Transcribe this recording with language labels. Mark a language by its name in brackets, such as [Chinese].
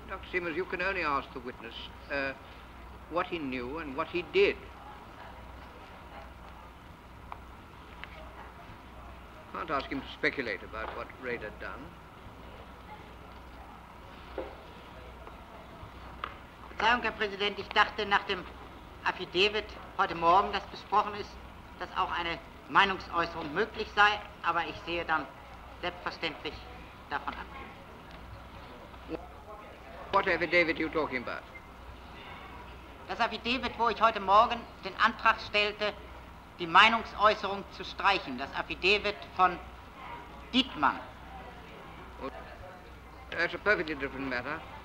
[English] Simmons, you can only ask the witness what he knew and what he did. Can't ask him to speculate about what Reeder had done. [German] Verzeihung, Herr Präsident, ich dachte nach dem Affidavit heute Morgen, das besprochen ist, dass auch eine Meinungsäußerung möglich sei, aber ich sehe dann selbstverständlich davon ab. [English] What affidavit are you talking about? [German] Das Affidavit, wo ich heute Morgen den Antrag stellte, die Meinungsäußerung zu streichen. Das Affidavit von Dietmann. [English] Well, that's a perfectly different matter.